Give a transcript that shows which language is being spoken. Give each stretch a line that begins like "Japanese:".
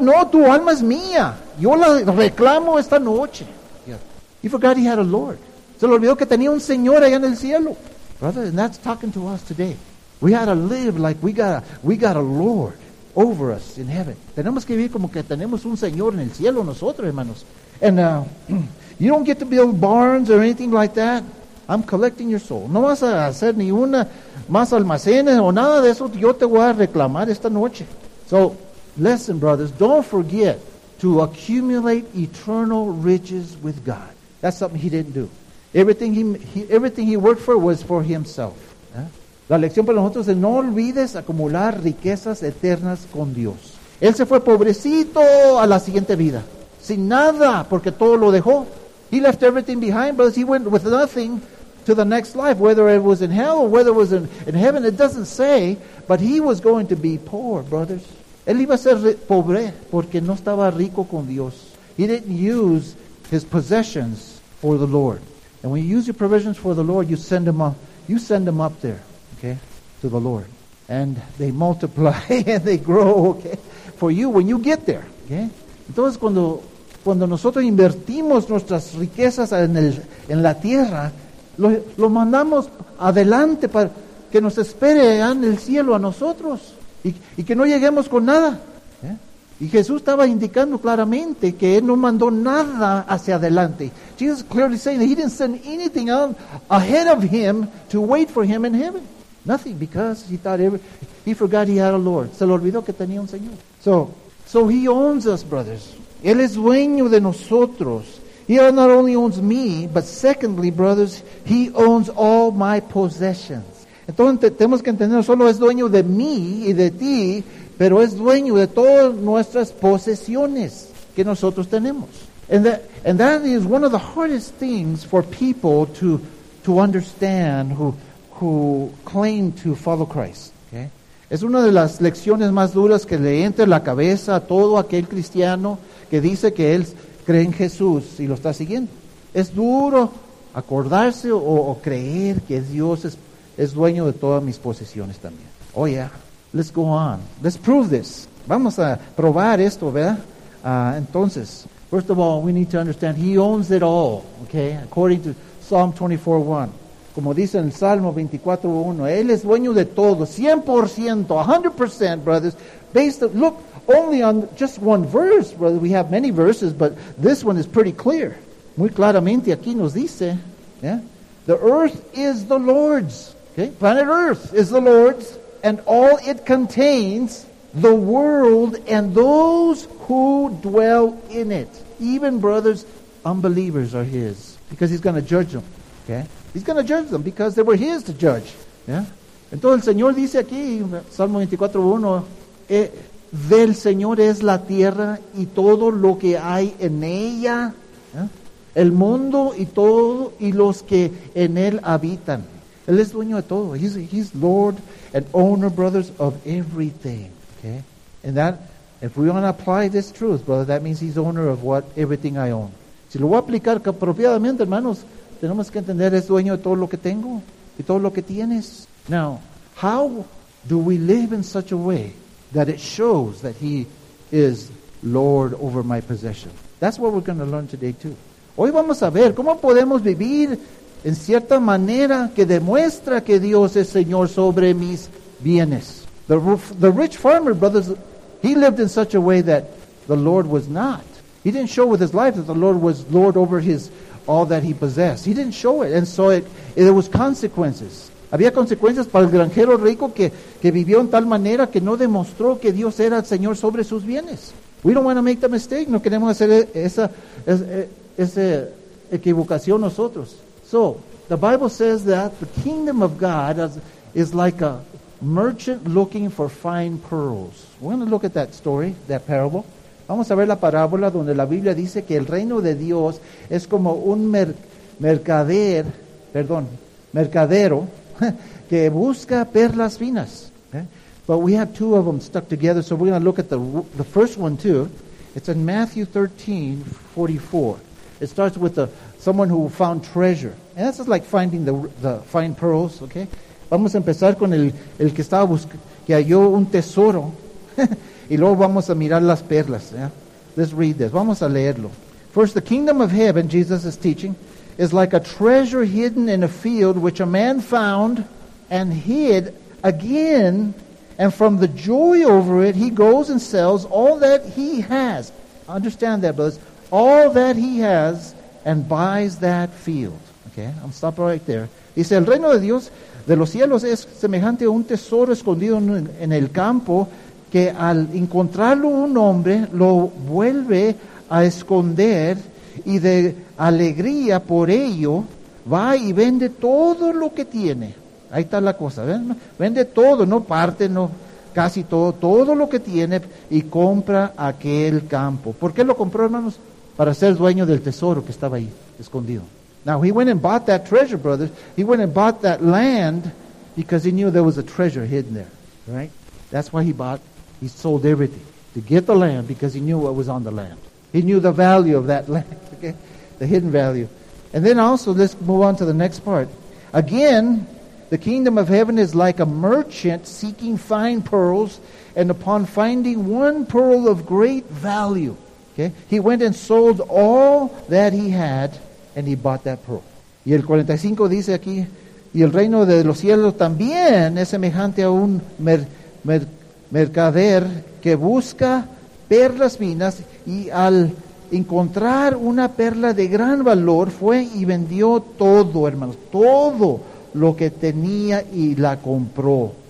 Spanish: No, tu alma es mía. Yo la reclamo esta noche.
English: Yeah. He forgot he had a Lord.
Spanish: Se le olvidó que tenía un Señor allá en el cielo.
English: Brother, and that's talking to us today. We ought to live like we got a Lord over us in heaven.
Spanish: Tenemos que vivir como que tenemos un Señor en el cielo nosotros, hermanos.
English: And you don't get to build barns or anything like that. I'm collecting your soul.
Spanish: No vas a hacer ni una más almacenes o nada de eso. Yo te voy a reclamar esta noche.
English: So, listen, brothers. Don't forget to accumulate eternal riches with God. That's something he didn't do. Everything he worked for was for himself. ¿Eh?
Spanish: La lección para nosotros es no olvides acumular riquezas eternas con Dios. Él se fue pobrecito a la siguiente vida. Sin nada, porque todo lo dejó.
English: He left everything behind, brothers. He went with nothing to the next life, whether it was in hell or whether it was in heaven. It doesn't say, but he was going to be poor, brothers. Él iba a ser pobre porque no estaba rico con Dios. He didn't use his possessions for the Lord. And when you use your provisions for the Lord, you send them up there, okay, to the Lord. and they multiply and they grow, okay, for you when you get there, okay.
Spanish: Entonces cuando nosotros invertimos nuestras riquezas en la tierra, lo mandamos adelante para que nos espere allá en el cielo a nosotros y que no lleguemos con nada. Y Jesús estaba indicando claramente que Él no mandó nada hacia adelante.
English: Jesus clearly saying that He didn't send anything out ahead of Him to wait for Him in heaven. Nothing, because He thought He forgot He had a Lord.
Spanish: Se le olvidó que tenía un Señor.
English: So He owns us, brothers.
Spanish: Él es dueño de nosotros.
English: He not only owns me, but secondly, brothers, He owns all my possessions.
Spanish: Entonces, tenemos que entender, solo es dueño de mí y de ti, pero es dueño de todas nuestras posesiones que nosotros tenemos.
English: And that is one of the hardest things for people to understand who claim to follow Christ. Okay?
Spanish: Es una de las lecciones más duras que le entra en la cabeza a todo aquel cristiano que dice que él cree en Jesús y lo está siguiendo. Es duro acordarse o creer que Dios es dueño de todas mis posesiones también.
English: Oh, yeah. Let's go on. Let's prove this.
Spanish: Vamos a probar esto, ¿verdad?
English: Entonces, first of all, we need to understand He owns it all, okay? According to Psalm 24:1.
Spanish: Como dice en el Salmo 24:1, Él es dueño de todo, 100%, 100%, brothers.
English: Look, only on just one verse, brother. We have many verses, but this one is pretty clear.
Spanish: Muy claramente aquí nos dice,
English: yeah? The earth is the Lord's, okay? Planet Earth is the Lord's. And all it contains, the world and those who dwell in it. Even brothers, unbelievers are His. Because He's going to judge them. Okay? He's going to judge them because they were His to judge. Yeah?
Spanish: Entonces el Señor dice aquí, Salmo 24:1, del Señor es la tierra y todo lo que hay en ella. Yeah? El mundo y todo y los que en él habitan. Él es dueño de todo.
English: He's Lord and owner, brothers, of everything. Okay? And that, if we want to apply this truth, brother, that means He's owner of what everything I own.
Spanish: Si lo voy a aplicar apropiadamente, hermanos, tenemos que entender, es dueño de todo lo que tengo y todo lo que tienes.
English: Now, how do we live in such a way that it shows that He is Lord over my possession? That's what we're going to learn today, too.
Spanish: Hoy vamos a ver cómo podemos vivir en cierta manera que demuestra que Dios es Señor sobre mis bienes.
English: The rich farmer, brothers, he lived in such a way that the Lord was not. He didn't show with his life that the Lord was Lord over his all that he possessed. He didn't show it. And so there was consequences.
Spanish: Había consecuencias para el granjero rico que vivió en tal manera que no demostró que Dios era el Señor sobre sus bienes.
English: We don't want to make the mistake.
Spanish: No queremos hacer esa equivocación nosotros.
English: So, the Bible says that the kingdom of God is like a merchant looking for fine pearls. We're going to look at that story, that parable.
Spanish: Vamos a ver la parábola donde la Biblia dice que el reino de Dios es como un mercadero que busca perlas finas.
English: Okay? But we have two of them stuck together, so we're going to look at the first one too. It's in Matthew 13:44. It starts with someone who found treasure. And this is like finding the fine pearls, okay?
Spanish: Vamos a empezar con el que estaba buscando, que halló un tesoro. Y luego vamos a mirar las perlas, yeah?
English: Let's read this.
Spanish: Vamos a leerlo.
English: First, the kingdom of heaven, Jesus is teaching, is like a treasure hidden in a field which a man found and hid again. And from the joy over it, he goes and sells all that he has. Understand that, brothers. All that he has and buys that field. Okay, I'm stopping right there.
Spanish: Dice, el reino de Dios de los cielos es semejante a un tesoro escondido en el campo que al encontrarlo un hombre lo vuelve a esconder y de alegría por ello va y vende todo lo que tiene. Ahí está la cosa. ¿Ven? Vende todo, no parte, no casi todo, todo lo que tiene y compra aquel campo. ¿Por qué lo compró, hermanos? Para ser dueño del tesoro que estaba ahí, escondido.
English: Now, he went and bought that treasure, brothers. He went and bought that land because he knew there was a treasure hidden there. Right? That's why he sold everything. To get the land because he knew what was on the land. He knew the value of that land. Okay? The hidden value. And then also, let's move on to the next part. Again, The kingdom of heaven is like a merchant seeking fine pearls, and upon finding one pearl of great value, okay, he went and sold all that he had, and he bought that pearl.
Spanish: Y el 45 dice aquí, y el reino de los cielos también es semejante a un mercader que busca perlas finas, y al encontrar una perla de gran valor, fue y vendió todo, hermanos, todo lo que tenía y la compró.